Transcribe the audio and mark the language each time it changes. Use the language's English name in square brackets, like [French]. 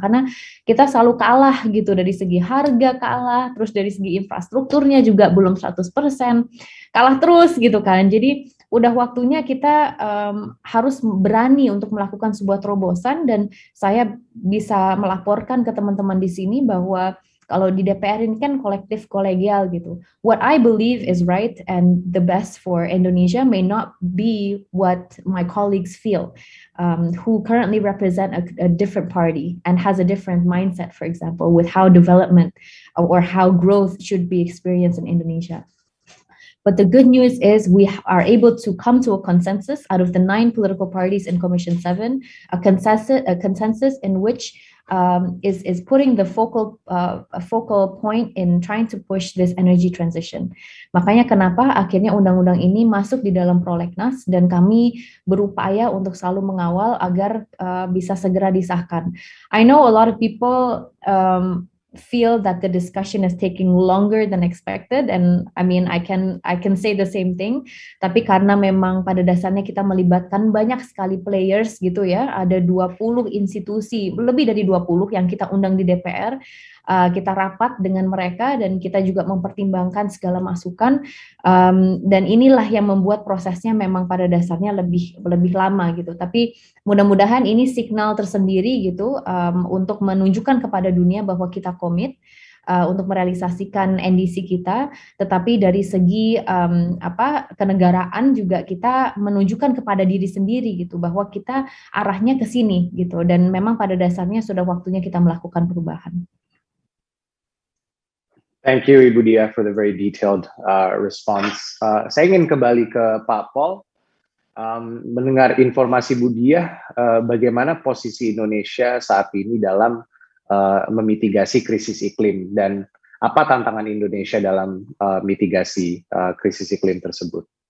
[Indonesian] Karena kita selalu kalah gitu dari segi harga kalah, terus dari segi infrastrukturnya juga belum 100%, kalah terus gitu kan. Jadi udah waktunya kita harus berani untuk melakukan sebuah terobosan dan saya bisa melaporkan ke teman-teman di sini bahwa kalau di DPR ini kan kolektif kolegial gitu. [English] What I believe is right and the best for Indonesia may not be what my colleagues feel, who currently represent a different party and has a different mindset, for example, with how development or how growth should be experienced in Indonesia. But the good news is we are able to come to a consensus out of the 9 political parties in Commission 7, a consensus in which is putting the focal point in trying to push this energy transition. [Indonesian] Makanya kenapa akhirnya undang-undang ini masuk di dalam prolegnas dan kami berupaya untuk selalu mengawal agar bisa segera disahkan. [English] I know a lot of people feel that the discussion is taking longer than expected and I mean I can say the same thing, [Indonesian] tapi karena memang pada dasarnya kita melibatkan banyak sekali players gitu ya, ada 20 institusi, lebih dari 20 yang kita undang di DPR, kita rapat dengan mereka dan kita juga mempertimbangkan segala masukan, dan inilah yang membuat prosesnya memang pada dasarnya lebih lama gitu. Tapi mudah-mudahan ini signal tersendiri gitu untuk menunjukkan kepada dunia bahwa kita komit untuk merealisasikan NDC kita, tetapi dari segi kenegaraan juga kita menunjukkan kepada diri sendiri gitu bahwa kita arahnya ke sini gitu dan memang pada dasarnya sudah waktunya kita melakukan perubahan. [English] Thank you, Ibu Dia, for the very detailed response. [Indonesian] Saya ingin kembali ke Pak Paul, mendengar informasi Ibu Dia, bagaimana posisi Indonesia saat ini dalam memitigasi krisis iklim, dan apa tantangan Indonesia dalam mitigasi krisis iklim tersebut.